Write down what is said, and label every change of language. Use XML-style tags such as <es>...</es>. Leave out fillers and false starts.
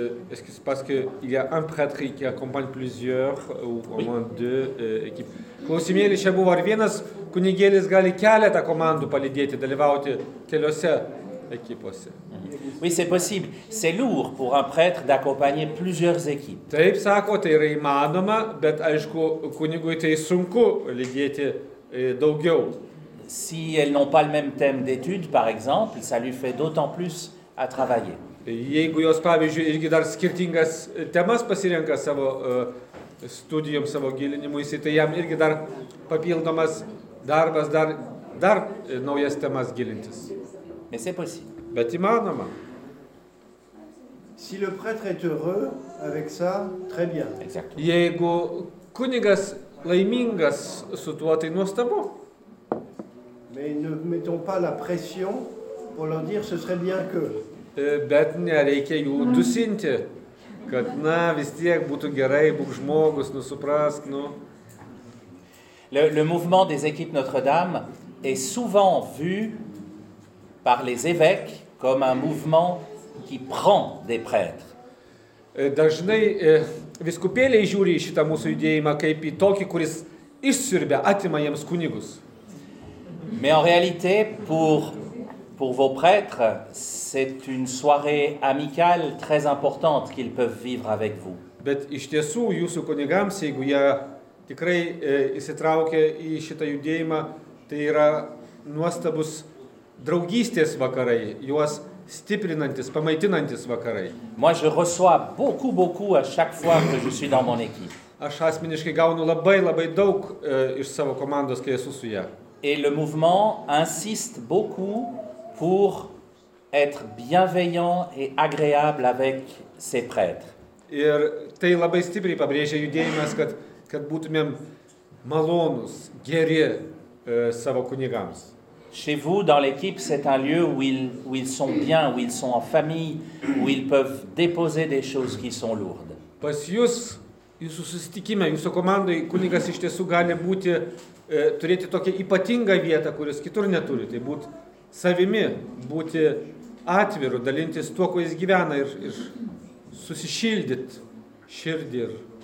<fr>Est-ce que c'est parce qu'il y a un prêtre qui accompagne plusieurs ou au moins deux équipes?</fr> <lt>Klausimėlis čia buvo, ar vienas kunigėlis gali keletą komandų palydėti, dalyvauti keliose ekipose.</lt> <fr>Oui, c'est possible. C'est lourd pour un prêtre d'accompagner plusieurs équipes.</fr> <lt>Taip sako, tai yra įmanoma, bet aišku, kunigui tai sunku lydėti daugiau.</lt> <fr>Si elles n'ont pas le même thème d'étude, par exemple, ça lui fait d'autant plus à travailler.</fr> <lt>Jeigu jos, pavyzdžiui, irgi dar skirtingas temas pasirenka savo studijom, savo gilinimui, tai jam irgi dar papildomas darbas, dar naujas temas gilintis.</lt> <fr>Mais c'est possible.</fr> <lt>Bet įmanoma.</lt> <fr>Si le prêtre est heureux avec ça, très bien. Exactement.</fr> <lt>Jeigu kunigas laimingas su tuo, tai nuostabu.</lt> <fr>Mais ne mettons pas la pression pour leur dire ce serait bien que.</fr> <lt>Bet nereikia jų dusinti, kad na vis tiek būtų gerai, būk žmogus, nu suprask, nu.</lt> <fr>Le mouvement des équipes Notre-Dame est souvent vu par les évêques comme un mouvement qui prend des prêtres.</fr> <lt>Dažnai viskupėliai žiūri šitą mūsų judėjimą kaip į tokį, kuris išsiurbia, atima jiems kunigus.</lt> <fr>Mais en réalité, pour vos prêtres, c'est une soirée amicale très importante qu'ils peuvent vivre avec vous.</fr> <lt>Bet iš tiesų, jūsų kunigams, jeigu jie tikrai įsitraukia į šitą judėjimą, tai yra nuostabus draugystės vakarai, juos stiprinantis, pamaitinantis vakarai.</lt> <fr>Moi, je reçois beaucoup, beaucoup à chaque fois que je suis dans mon équipe.</fr> <lt>Aš asmeniškai gaunu labai, labai daug iš savo komandos, kai esu su ja.</lt> <fr>Et le mouvement insiste beaucoup pour être bienveillant et agréable avec ses prêtres.</fr> <lt>Ir tai labai stipriai pabrėžia judėjimas, kad būtumėm malonus, geri savo kunigams.</lt> <fr>Chez vous, dans l'équipe, c'est un lieu où ils sont bien, où ils sont en famille, où ils peuvent déposer des choses qui sont lourdes.</fr> <lt>Pas jūs, jūsų susitikime, jūsų komandai, kunigas iš tiesų gali būti turėti tokią ypatingą vietą, kurios kitur neturi, tai būti savimi, būti atviru, dalintis tuo, kuo jis gyvena ir susišildyt širdį. Ir...</lt>